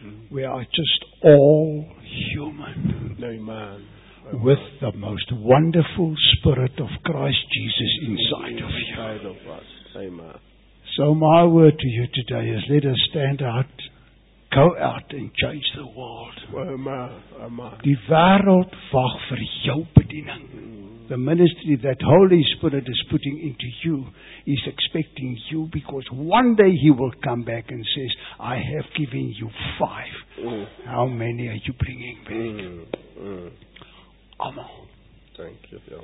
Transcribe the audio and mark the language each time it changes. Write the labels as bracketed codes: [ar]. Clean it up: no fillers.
[en] We are just all human. Amen. With the most wonderful spirit of Christ Jesus inside of you. Inside of us. Amen. So my word to you today is let us stand out. Go out and change the world. [af] Die wêreld wag vir jou bediening. [en] The ministry that Holy Spirit is putting into you is expecting you, because one day he will come back and says, I have given you five. How many are you bringing back? Amen. Thank you.